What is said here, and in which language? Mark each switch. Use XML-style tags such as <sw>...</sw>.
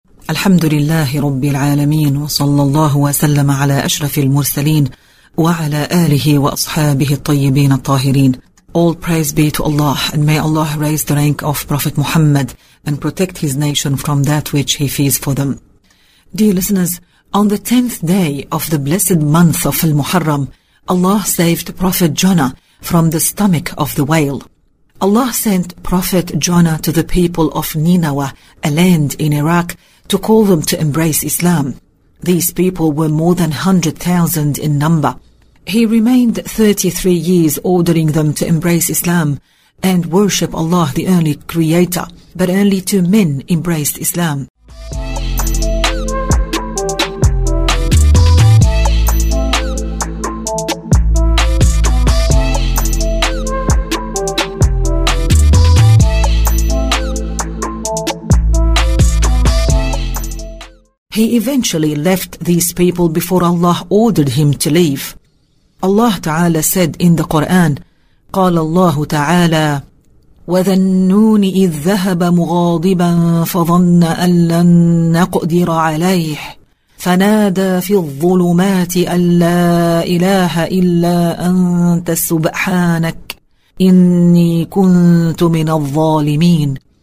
<ar>الحمد لله رب العالمين وصلى الله وسلم على أشرف المرسلين وعلى آله وأصحابه الطيبين الطاهرين.</ar> <en>All praise be to Allah, and may Allah raise the rank of Prophet Muhammad and protect his nation from that which he fears for them. Dear listeners, on the 10th day of the blessed month of Al-Muharram, Allah saved Prophet Jonah from the stomach of the whale. Allah sent Prophet Jonah to the people of Nineveh, a land in Iraq, to call them to embrace Islam. These people were more than 100,000 in number. He remained 33 years ordering them to embrace Islam and worship Allah, the only creator, but only two men embraced Islam. He eventually left these people before Allah ordered him to leave. Allah Ta'ala said in the Quran,</en> <ar>قال الله تعالى وَذَنُّونِ إِذْ ذَهَبَ مُغَاضِبًا فَظَنَّ أَنْ لَنْ نَقْدِرَ عَلَيْهِ فَنَادَى فِي الظُّلُمَاتِ أَنْ لَا إِلَهَ إِلَّا أَنْتَ سُبْحَانَكَ إِنِّي كُنْتُ مِنَ الظَّالِمِينَ.</ar>